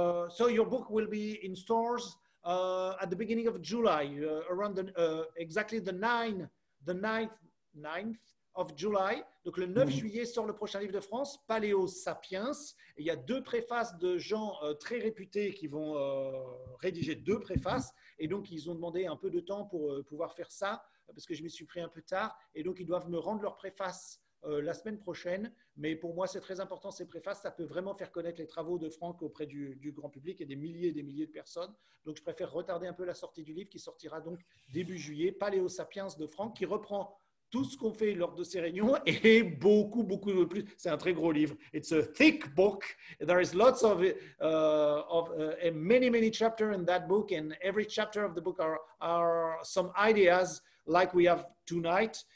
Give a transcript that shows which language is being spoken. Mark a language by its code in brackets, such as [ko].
[en] So your book will be in stores at the beginning of July, around the exactly the 9th of July. [fr] Donc le 9 juillet sort le prochain livre de France, Paléo Sapiens. Et il y a deux préfaces de gens très réputés qui vont rédiger deux préfaces. Et donc ils ont demandé un peu de temps pour pouvoir faire ça, parce que je m'y suis pris un peu tard, et donc ils doivent me rendre leur préface la semaine prochaine, mais pour moi c'est très important ces préfaces, ça peut vraiment faire connaître les travaux de Franck auprès du grand public et des milliers de personnes, donc je préfère retarder un peu la sortie du livre qui sortira donc début juillet, Paléo Sapiens de Franck, qui reprend tout ce qu'on fait lors de ces réunions et beaucoup, beaucoup de plus. C'est un très gros livre. [en] It's a thick book. There is lots of many, many chapters in that book, and every chapter of the book are some ideas like we have tonight.